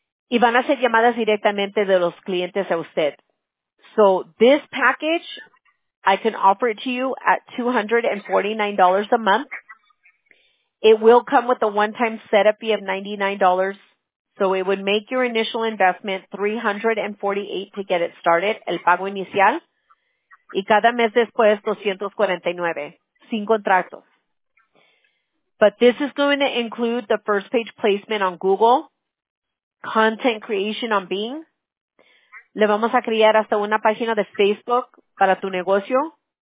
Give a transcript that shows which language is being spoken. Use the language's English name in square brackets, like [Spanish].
[Spanish] Y van a ser llamadas directamente de los clientes a usted. [English] So this package, I can offer it to you at $249 a month. It will come with a one-time setup fee of $99, so it would make your initial investment $348 to get it started, [Spanish] el pago inicial, y cada mes después $249, sin contratos. [English] But this is going to include the first page placement on Google, content creation on Bing. [Spanish] Le vamos a crear hasta una página de Facebook para tu negocio.